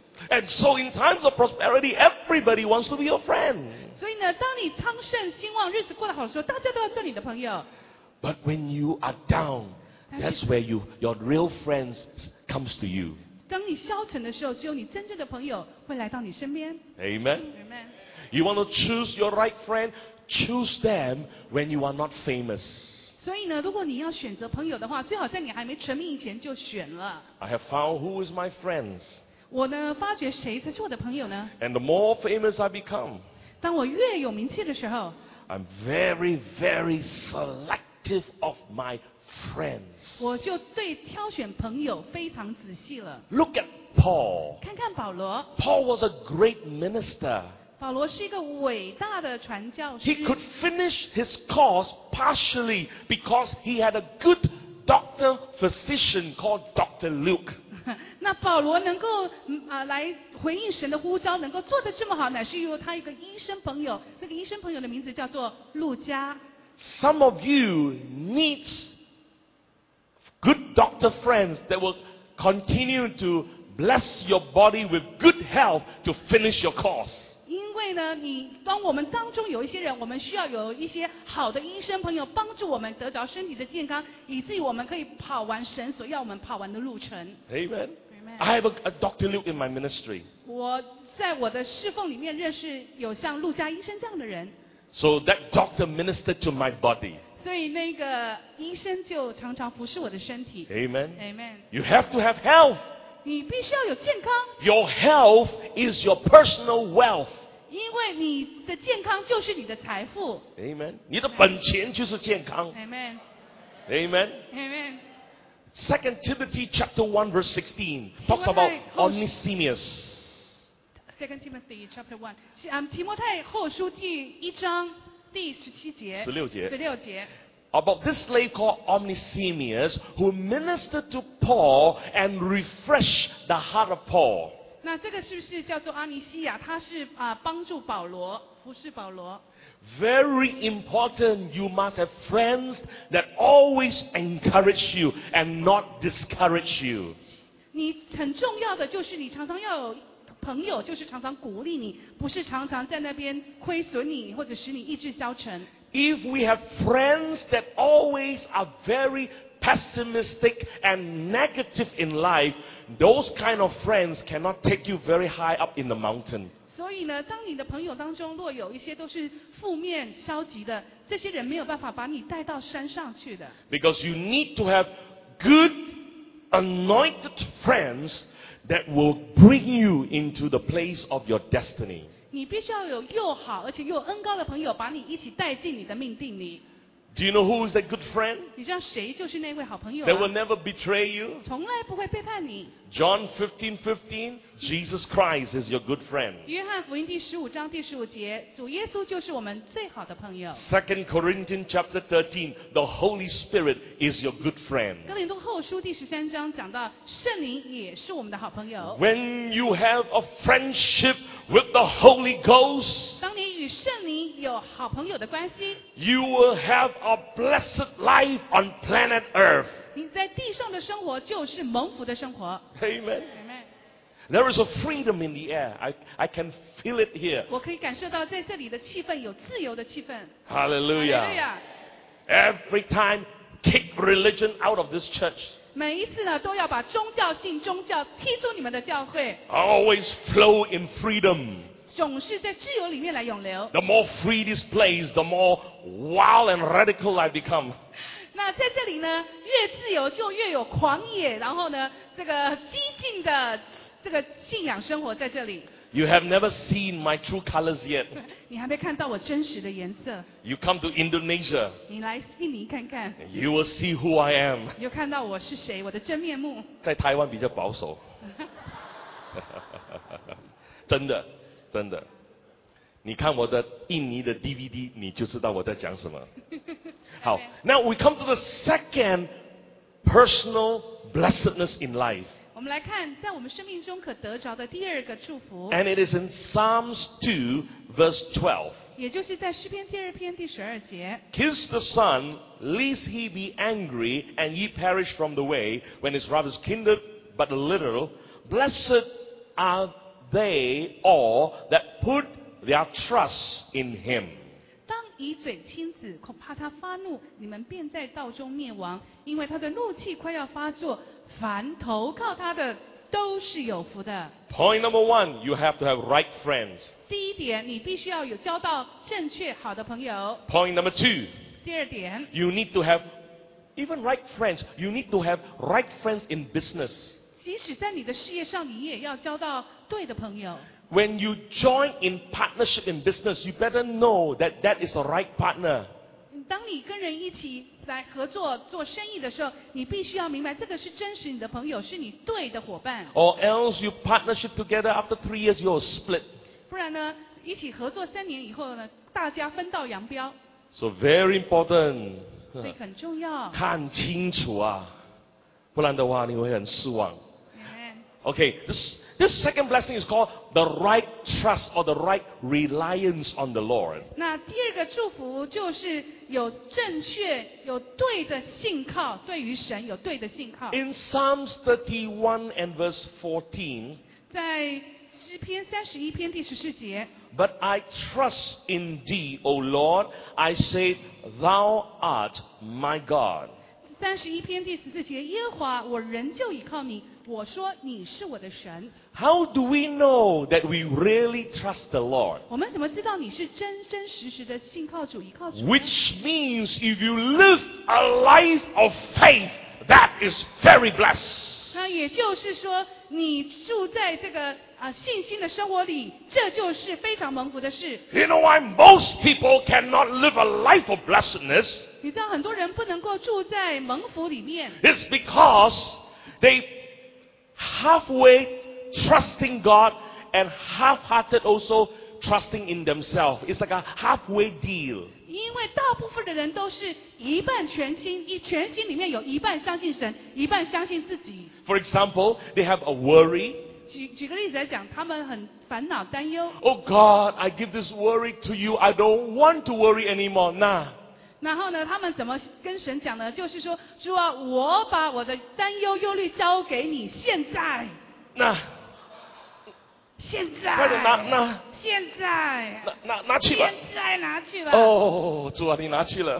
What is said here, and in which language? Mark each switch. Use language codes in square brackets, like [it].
[en] And so in times of prosperity, everybody wants to be your friend. [zh] 所以呢，当你昌盛兴旺，日子过得好的时候，大家都要做你的朋友。 [en] But when you are down, that's where your real friends comes to you. [zh] 当你消沉的时候，只有你真正的朋友会来到你身边。 [en] Amen. Amen. You want to choose your right friend? Choose them when you are not famous. [zh] 所以呢，如果你要选择朋友的话，最好在你还没成名以前就选了。 [en] I have found who is my friends. [zh] 我呢，发觉谁才是我的朋友呢 [en] ？And the more famous I become， [zh] 当我越有名气的时候 [en] ，I'm very, very selective of my friends。 [zh] 我就对挑选朋友非常仔细了。 [en] Look at Paul。 [zh] 看看保罗。 [en] Paul was a great minister。 [zh] 保罗是一个伟大的传教士。 [en] He could finish his course partially because he had a good doctor physician called Dr. Luke。 [zh] 那保罗能够来回应神的呼召，能够做得这么好，乃是因为他一个医生朋友，那个医生朋友的名字叫做路加。 [en] Some of you need good doctor friends that will continue to bless your body with good health to finish your course. [zh] 因为呢，你当我们当中有一些人，我们需要有一些好的医生朋友帮助我们得着身体的健康，以至于我们可以跑完神所要我们跑完的路程。 [en] Amen. I have a Dr. Luke in my ministry. [zh] 我在我的侍奉里面认识有像路加医生这样的人。 [en] So that doctor ministered to my body. [zh] 所以那个医生就常常服侍我的身体。 [en] Amen. Amen. You have to have health. [zh] 你必须要有健康。 [en] Your health is your personal wealth. [zh] 因为你的健康就是你的财富。 Amen. 你的本钱就是健康。 [en] Amen. Amen. Amen. 2 Timothy chapter 1 verse 16 talks about Onesimus. 2 Timothy chapter 1. [zh] 提摩太后书第一章第十七节。十六节。十六节。 [en] About this slave called Onesimus who ministered to Paul and refreshed the heart of Paul. [zh] 那这个是不是叫做阿尼西亚？他是帮助保罗，服侍保罗。 [en] Very important, you must have friends that always encourage you and not discourage you. [zh] 你很重要的就是你常常要有朋友，就是常常鼓励你，不是常常在那边亏损你或者使你意志消沉。 [en] If we have friends that always are very pessimistic and negative in life, those kind of friends cannot take you very high up in the mountain. [zh] 所以呢，当你的朋友当中若有一些都是负面消极的，这些人没有办法把你带到山上去的。 [en] Because you need to have good anointed friends that will bring you into the place of your destiny. [zh] 你必须要有又好而且又恩高的朋友把你一起带进你的命定里。 [en] Do you know who is that good friend? [zh] 你知道谁就是那位好朋友啊? [en] That will never betray you. [zh] 从来不会背叛你。 [en] John 15:15, Jesus Christ is your good friend. [zh] 约翰福音第十五章第十五节，主耶稣就是我们最好的朋友。 [en] 2 Corinthians chapter 13, the Holy Spirit is your good friend. [zh] 哥林多后书第十三章讲到，圣灵也是我们的好朋友。 [en] When you have a friendship with the Holy Ghost, [zh] 当你与圣灵有好朋友的关系， [en] you will have a blessed life on planet Earth. [zh] 你在地上的生活就是蒙福的生活。 [en] Amen. Amen. There is a freedom in the air. I can feel it here. [zh] 我可以感受到在这里的气氛有自由的气氛。 [en] Hallelujah. Hallelujah. Every time, kick religion out of this church. [zh] 每一次呢，都要把宗教性宗教踢出你们的教会。 [en] Always flow in freedom. [zh] 总是在自由里面来涌流。 [en] The more free this place, the more wild and radical I become. [zh] 那在这里呢，越自由就越有狂野，然后呢，这个激进的这个信仰生活在这里。 [en] You have never seen my true colors yet. [zh] 你还没看到我真实的颜色。 [en] You come to Indonesia. [zh] 你来印尼看看。 [en] You will see who I am. [zh] 你就看到我是谁，我的真面目。在台湾比较保守。真的，真的。你看我的印尼的 DVD， 你就知道我在讲什么。 [en] 好 ，Now we come to the second personal blessedness in life. [zh] 我们来看在我们生命中可得着的第二个祝福。 [en] And it is in Psalms 2 verse 12. [zh] 也就是在诗篇第二篇第十二节。 [en] Kiss the son, lest he be angry, and ye perish from the way, when his wrath is kindled but a little. Blessed are they all that put their trust in him. [zh] 当以嘴亲子，恐怕他发怒，你们便在道中灭亡，因为他的怒气快要发作。凡投靠他的，都是有福的。 [en] Point number one, you have to have right friends. [zh] 第一点，你必须要有交到正确好的朋友。 [en] Point number two. [zh] 第二点 [en] ，You need to have even right friends. You need to have right friends in business. [zh] 即使在你的事业上，你也要交到对的朋友。 [en] When you join in partnership in business, you better know that that is the right partner. [zh] 当你跟人一起来合作做生意的时候，你必须要明白这个是真实你的朋友，是你对的伙伴。 [en] Or else you partnership together after 3 years, you'll split. [zh] 不然呢，一起合作三年以后呢，大家分道扬镳。 So very important. 所以很重要。看清楚啊，不然的话你会很失望。 [en] Okay, this second blessing is called the right trust or the right reliance on the Lord. [zh] 那第二个祝福就是有正确、有对的信靠，对于神有对的信靠。 [en] In Psalms 31 and verse 14, [zh] 在诗篇31篇第14节。 [en] But I trust in thee, O Lord. I say, Thou art my God. [zh] 三十一篇第十四节，耶和华，我仍旧倚靠你。我说你是我的神。 [en] How do we know that we really trust the Lord? [zh] 我们怎么知道你是真真实实的信靠主、倚靠主 [en] ？Which means if you live a life of faith, that is very blessed. [zh] 那也就是说，你住在这个信心的生活里，这就是非常蒙福的事。 [en] You know why most people cannot live a life of blessedness? [zh] 你知道很多人不能够住在蒙福里面。 [en] It's because they halfway trusting God and half-hearted also trusting in themselves. It's like a halfway deal. [zh] 因为大部分的人都是一半全心，全心里面有一半相信神，一半相信自己。 [en] For example, they have a worry. [zh] 举个例子来讲，他们很烦恼担忧。 [en] Oh God, I give this worry to you. I don't want to worry anymore. Nah. [zh] 然后呢，他们怎么跟神讲呢？就是说，主啊，我把我的担忧忧虑交给你，现在。那。现在。快点拿拿。现在。拿去吧。现在拿去了。哦，主啊，你拿去了。